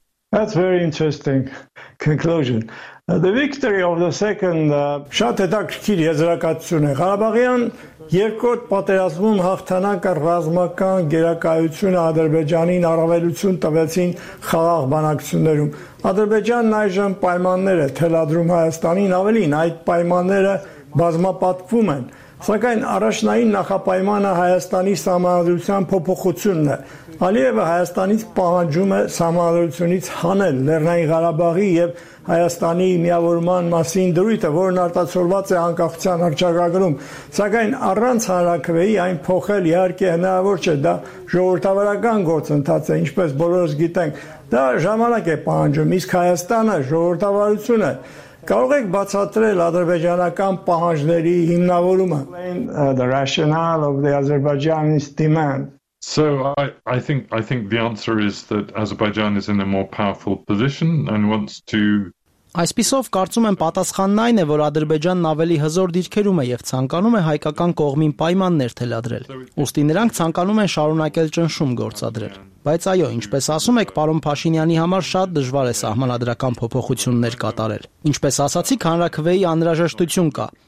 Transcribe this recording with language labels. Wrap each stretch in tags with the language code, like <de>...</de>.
<en>That's very interesting conclusion. The victory of the second</en> <hy>շատ հետաքրքիր եզրակացություն է։ Ղարաբաղյան երկրորդ պատերազմում հաղթանակը ռազմական գերակայությունը Ադրբեջանին առավելություն տվեցին խաղաղ բանակցություններում։ Ադրբեջանն այժմ պայմանները թելադրում Հայաստանին, ավելին այդ պայմանները բազմապատկվում են։ Սակայն առաջնային նախապայմանը Հայաստանի սահմանադրության փոփոխությունն է։ Ալիևը Հայաստանից պահանջում է սահմանադրությունից հանել Լեռնային Ղարաբաղի և Հայաստանի միավորման մասին դրույթը, որն արտացոլված է անկախության հռչակագրում, սակայն առանց հանրաքվեի այն փոխել իհարկե հնարավոր չէ, դա ժողովրդավարական գործընթաց է, ինչպես բոլորս գիտենք, դա ժամանակ է պահանջում, իսկ Հայաստանը ժողովրդավարություն է։ Կարող եք բացատրել ադրբեջանական պահանջների հիմնավորումը։</hy> <en>The rationale of the Azerbaijani's demand. So I think the answer is that Azerbaijan is in a more powerful position and wants to.</en> <hy>Այսպիսով կարծում եմ պատասխանն այն է, որ Ադրբեջանն ավելի հզոր դիրքերում է և ցանկանում է հայկական կողմին պայմաններ թելադրել, ուստի նրանք ցանկանում են շարունակել ճնշում գործադրել։ Բայց այո, ինչպես ասում եք, պարոն Փաշինյանի համար շատ դժվար է սահմանադրական փոփոխություններ կատարել։ Ինչպես ասացիք, հանրաքվեի անհրաժեշտություն կա,</hy>